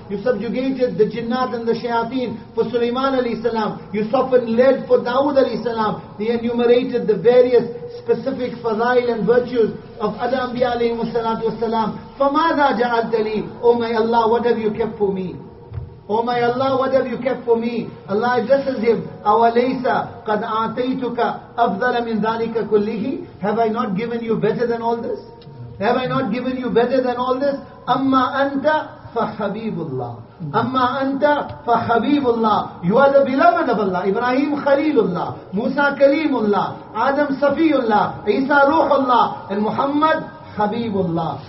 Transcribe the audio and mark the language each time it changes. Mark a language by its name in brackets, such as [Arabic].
[English] You subjugated the jinnat and the shayateen for Sulaiman alayhi salam. You softened lead for Dawood alayhi salam. He enumerated the various specific fadail and virtues of Adam bi alayhi musallatu wassalam. [Arabic] فَمَاذَا جَعَلْتَ لِي. [English] Oh my Allah, what have you kept for me? Oh my Allah, what have you kept for me? Allah addresses him, [Arabic] أَوَلَيْسَ قَدْ أَعْتَيْتُكَ أَفْضَلَ مِنْ ذَلِكَ كُلِّهِ. [English] Have I not given you better than all this? Have I not given you better than all this? [Arabic] أَمَّا أَنْتَ فَحَبِيبُ اللَّهِ. أَمَّا أَنْتَ فَحَبِيبُ اللَّهِ. [English] You are the beloved of Allah. Ibrahim Khalilullah, Musa Kaleemullah, Adam Safiullah, Isa Ruhullah, and Muhammad Habibullah.